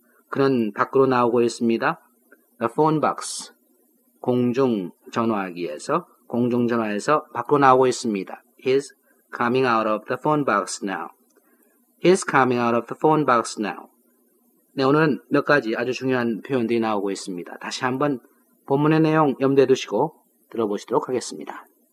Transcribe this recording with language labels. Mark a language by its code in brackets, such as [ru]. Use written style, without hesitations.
[ko] 그는 밖으로 나오고 있습니다. [en] the phone box. [ko] 공중전화기에서, 공중전화에서 밖으로 나오고 있습니다. [en] He's coming out of the phone box now. He's coming out of the phone box now. [ko] 네, 오늘은 몇 가지 아주 중요한 표현들이 나오고 있습니다. 다시 한번 본문의 내용 염두에 두시고 들어보시도록 하겠습니다.